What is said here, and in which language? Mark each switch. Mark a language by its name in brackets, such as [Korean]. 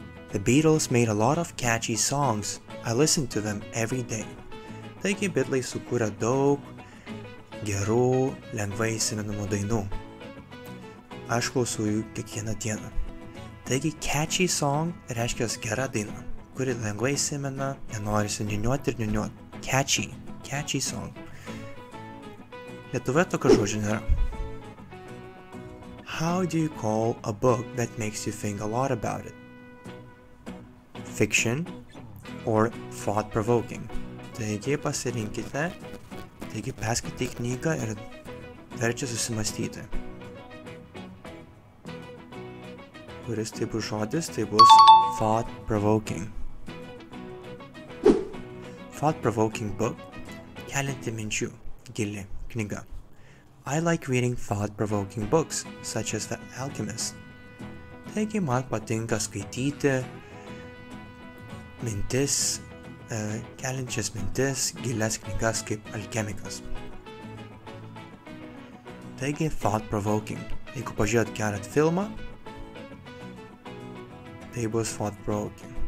[English] The Beatles made a lot of catchy songs. I listen to them every day. [Lithuanian] Taigi Beatles sukūrė daug gerų, lengvai įsimenamų dainų. Aš klausau jų kiekvieną dieną. Taigi [English] catchy song [Lithuanian] reiškia gera daina, kuri lengvai įsimena, nenori niūniuoti ir niūniuoti. [English] Catchy, catchy song. [Lithuanian] Lietuvoje tokio žodžio nėra. [English] How do you call a book that makes you think a lot about it? Fiction or thought-provoking. [Lithuanian] Taigi pasirinkite. Taigi perskaityk knygą ir verčia susimastyti. Kuris tai bus žodis, tai bus thought-provoking. [English] Thought-provoking book. [Lithuanian] Kelinti minčių. Gili knyga. [English] I like reading thought-provoking books, such as The Alchemist. [Lithuanian] Taigi man patinka skaityti mintis, keliančias mintis, gilias knygas kaip alchemikas. Taigi, thought-provoking. Jeigu pažiūrėt gerą filmą, tai bus thought-provoking.